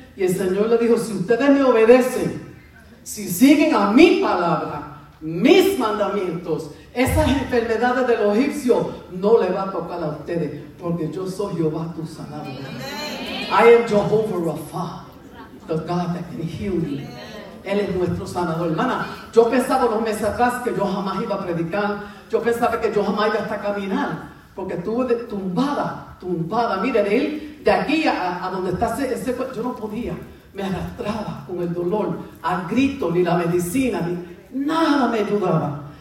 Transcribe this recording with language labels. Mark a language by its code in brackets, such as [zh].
[es] Y el Señor le dijo, si ustedes me obedecen, si siguen a mi palabra, mis mandamientos, esas enfermedades de los egipcios no le va a tocar a ustedes, porque yo soy Jehová tu sanador. [en] I am Jehovah Rapha, the God that can heal you. [es] Él es nuestro sanador. Hermana, yo pensaba unos meses atrás que yo jamás iba a predicar. Yo pensaba que yo jamás iba hasta a caminar, porque estuve tumbada. Miren, él, de aquí a donde está ese cuerpo, yo no podía. Me arrastraba con el dolor, al grito, ni la medicina, ni nada me ayudaba.